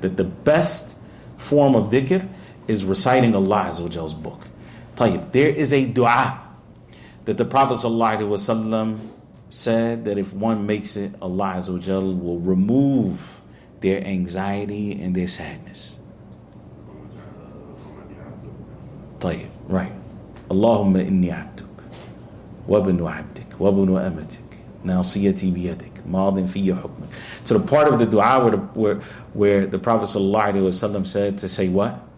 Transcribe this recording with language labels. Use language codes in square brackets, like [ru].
[en] That the best form of dhikr is reciting Allah Azza wa Jal's book. طيب, there is a dua that the Prophet Sallallahu Alaihi Wasallam said that if one makes it, Allah Azza wa Jal will remove their anxiety and their sadness. طيب, right. [ar] اللهم إني عبدك وابن عبدك وابن أمتك ناصيتي بيدك ماض في حكمك. [en] So the part of the dua where the Prophet sallallahu alaihi wasallam said to say what?